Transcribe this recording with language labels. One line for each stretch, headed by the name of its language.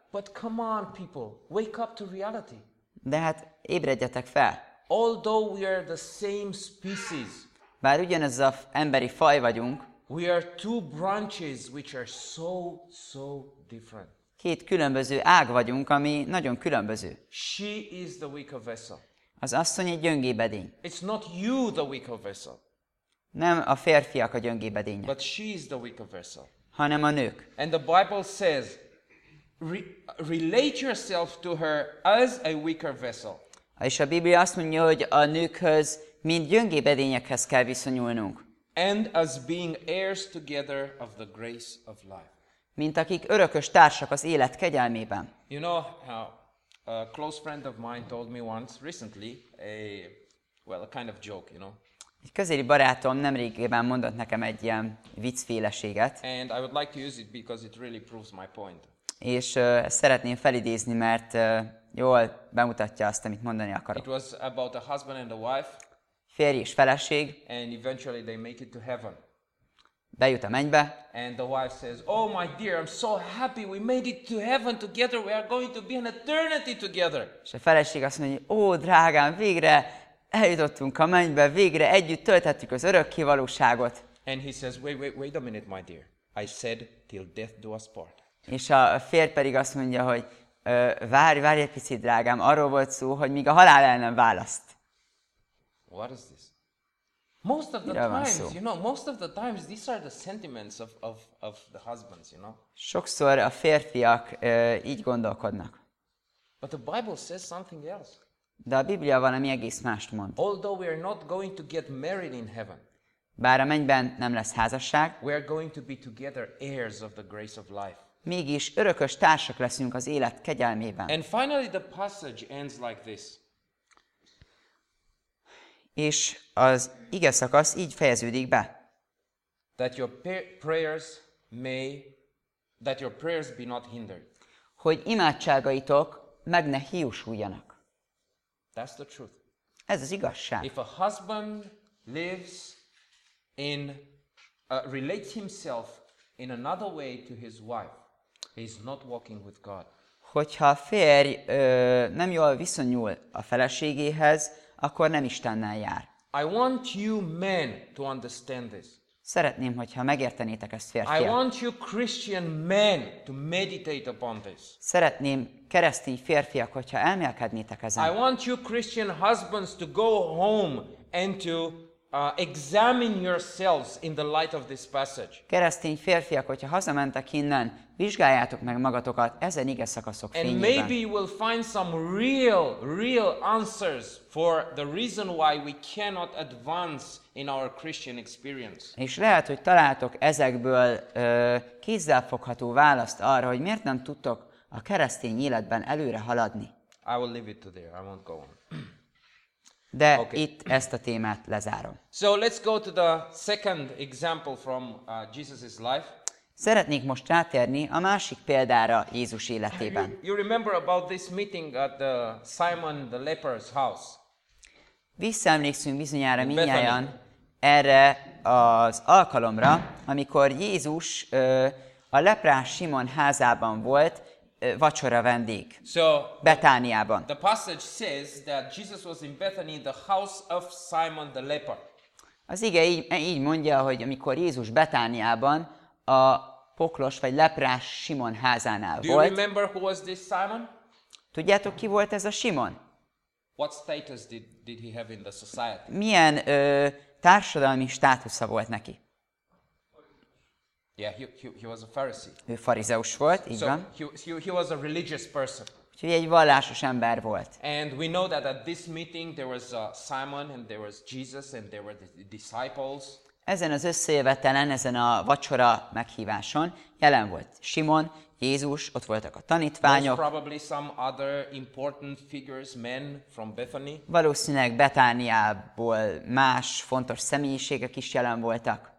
English: But come on, people, wake up to reality.
Hungarian: De hát ébredjetek fel.
English: Although we are the same species.
Hungarian: Bár ugyanez az emberi faj vagyunk.
English: We are two branches which are so, so different.
Hungarian: Két különböző ág vagyunk, ami nagyon különböző.
English: She is the weaker vessel.
Hungarian: Az asszony egy gyöngébb edény.
English: It's not you the weaker vessel.
Hungarian: Nem a férfiak a gyöngébb edények.
English: But she is the weaker vessel.
Hungarian: Hanem a nők.
English: And the Bible says, relate yourself to her as a weaker vessel.
Hungarian: És a Biblia azt mondja, hogy a nőkhöz, mint gyöngébb edényekhez kell viszonyulnunk.
English: And as being heirs together of the grace of life.
Hungarian: Mint akik örökös társak az élet kegyelmében.
English: You know how a close friend of mine told me once recently a kind of joke, you know.
Hungarian: Egy közeli barátom nemrégében mondott nekem egy ilyen viccféleséget.
English: And I would like to use it because it really proves my point.
Hungarian: És szeretném felidézni, mert jól bemutatja azt, amit mondani akarok.
English: It was about a husband and a wife.
Hungarian: Férj és feleség.
English: And eventually they make it to heaven.
Hungarian: Bejut a mennybe.
English: And the wife says, "Oh my dear, I'm so happy we made it to heaven together. We are going to be an eternity together."
Hungarian: És a feleség azt mondja, "Ó, drágám, végre eljutottunk a mennybe, végre együtt töltettük az örökkévalóságot."
English: And he says, "Wait a minute, my dear. I said till death do us part."
Hungarian: És a férj pedig azt mondja, hogy várj egy picit, drágám, arról volt szó, hogy míg a halál el nem választ.
English: What is this? Most of the times, you know, most of the times these are the sentiments of the husbands, you know.
Hungarian: Sokszor a férfiak így gondolkodnak.
English: But the Bible says something else.
Hungarian: De a Biblia valami egész mást mond.
English: Although we are not going to get married in heaven.
Hungarian: Bár a mennyben nem lesz házasság.
English: We are going to be together heirs of the grace of life.
Hungarian: Mégis örökös társak leszünk az élet kegyelmében.
English: And finally the passage ends like this.
Hungarian: És az ige szakasz így fejeződik be.
English: That your prayers may, that your prayers be not hindered.
Hungarian: Hogy imádságaitok meg ne hiúsuljanak.
English: That's the truth.
Hungarian: Ez az igazság.
English: If a husband lives in, relates himself in another way to his wife, he's not walking with God.
Hungarian: Hogyha a férj nem jól viszonyul a feleségéhez, akkor nem Istennel jár.
English: I want you men to understand this.
Hungarian: Szeretném, hogyha megértenétek ezt, férfiak.
English: I want you Christian men to meditate upon this.
Hungarian: Szeretném keresztény férfiak, hogyha elmélkednétek ezen.
English: I want you Christian husbands to go home and to examine yourselves in the light of this passage.
Hungarian: Keresztény férfiak, hogyha hazamentek innen, vizsgáljátok meg magatokat ezen igeszakaszok fényében.
English: And maybe you will find some real answers for the reason why we cannot advance in our Christian experience.
Hungarian: És lehet, hogy találtok ezekből kézzelfogható választ arra, hogy miért nem tudtok a keresztény életben előre haladni.
English: I will leave it to there. I won't go on.
Hungarian: De okay. Itt ezt a témát lezárom.
English: So let's go to the second example from Jesus's life.
Hungarian: Szeretnék most rátérni a másik példára Jézus életében.
English: You remember about this meeting at the Simon the leper's house?
Hungarian: Visszaemlékszünk bizonyára minnyájan erre az alkalomra, amikor Jézus a leprás Simon házában volt. Vacsora vendég.
English: So,
Hungarian: Betániában.
English: The passage says that Jesus was in Bethany in the house of Simon the leper.
Hungarian: Az ige így mondja, hogy amikor Jézus Betániában a poklos vagy leprás Simon házánál
English: Do
Hungarian: volt.
English: Do you remember who was this Simon?
Hungarian: Tudjátok, ki volt ez a Simon?
English: What status did he have in the society?
Hungarian: Milyen társadalmi státusza volt neki?
English: Yeah, he was a Pharisee.
Hungarian: Ő farizeus volt, így van.
English: So he was a religious person.
Hungarian: Úgyhogy egy vallásos ember volt.
English: And we know that at this meeting there was Simon and there was Jesus and there were the disciples.
Hungarian: Ezen az összejövetelen, ezen a vacsora meghíváson jelen volt Simon, Jézus, ott voltak a tanítványok.
English: Most probably some other important figures, men from Bethany.
Hungarian: Valószínűleg Betániából más fontos személyiségek is jelen voltak.